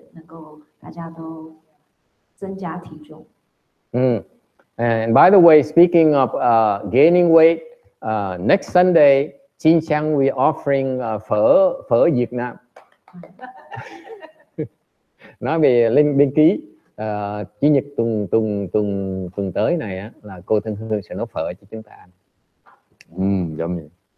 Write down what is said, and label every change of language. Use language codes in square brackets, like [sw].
[zh] 很会煮东西，所以他的对针对他的答案，可能就是希望我们下个月能够大家都增加体重。 [en] And by the way, speaking of gaining weight, next Sunday, Jinxiang, we offering phở Việt Nam. [vi] Nói về Linh Binh Ký, Chủ nhật tuần tới này á, là cô Thân Hương sẽ nấu phở cho chúng ta ăn. Giống vậy.